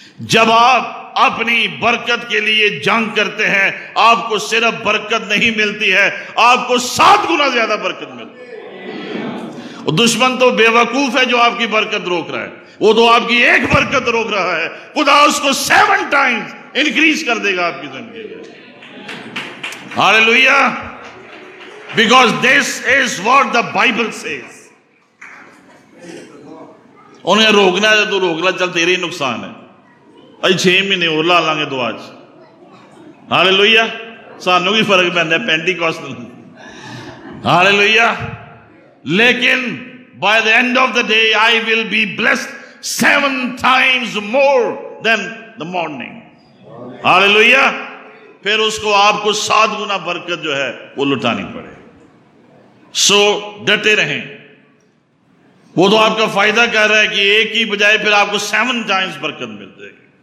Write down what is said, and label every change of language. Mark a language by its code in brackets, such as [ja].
[ur] جب آپ اپنی برکت کے لیے جنگ کرتے ہیں, آپ کو صرف برکت نہیں ملتی ہے, آپ کو 7 گنا زیادہ برکت ملتی ہے. دشمن تو بیوقوف ہے جو آپ کی برکت روک رہا ہے, وہ تو آپ کی ایک برکت روک رہا ہے, خدا اس کو 7 times انکریز کر دے گا آپ کی زندگی میں. [en] Hallelujah, because this is what the Bible says. [ur] انہیں روکنا ہے تو روک لا, چل تیرے ہی نقصان ہے, 6 مہینے اور لا لیں گے. دعا ہالیلویہ, سانو بھی فرق پہنتا ہے پینٹیکوسٹ. [en] Hallelujah, لیکن by the end of the day I will be blessed 7 times more than the morning. [ur] ہالیلویہ, پھر اس کو آپ کو 7 گنا برکت جو ہے وہ لٹانی پڑے. سو ڈٹے رہیں, وہ تو آپ کا فائدہ کر رہا ہے کہ ایک ہی بجائے پھر آپ کو 7 times برکت مل جائے گی.